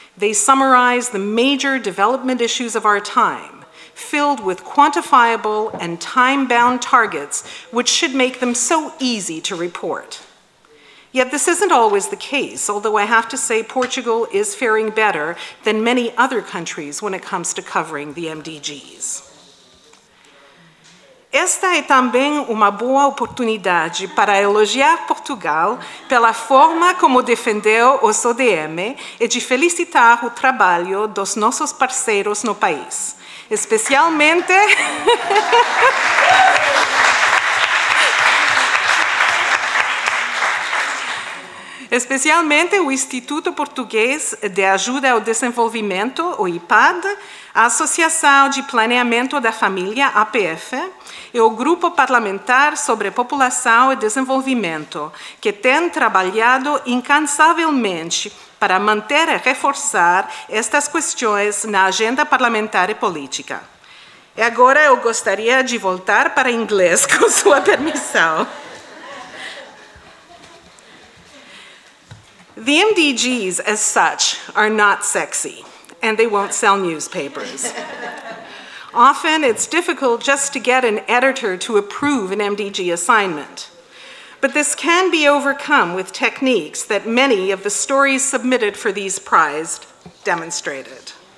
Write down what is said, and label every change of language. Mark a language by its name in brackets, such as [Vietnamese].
[English] They summarize the major development issues of our time, filled with quantifiable and time-bound targets, which should make them so easy to report. Yet this isn't always the case, although I have to say Portugal is faring better than many other countries when it comes to covering the MDGs. [Portuguese] Esta é também uma boa oportunidade para elogiar Portugal pela forma como defendeu os ODM e de felicitar o trabalho dos nossos parceiros no país. Especialmente especialmente o Instituto Português de Ajuda ao Desenvolvimento, o IPAD, a Associação de Planeamento da Família, APF, e o Grupo Parlamentar sobre População e Desenvolvimento, que têm trabalhado incansavelmente para manter e reforçar estas questões na agenda parlamentar e política. E agora eu gostaria de voltar para inglês, com sua permissão. [English] The MDGs, as such, are not sexy, and they won't sell newspapers. Often, it's difficult just to get an editor to approve an MDG assignment. But this can be overcome with techniques that many of the stories submitted for these prizes demonstrated.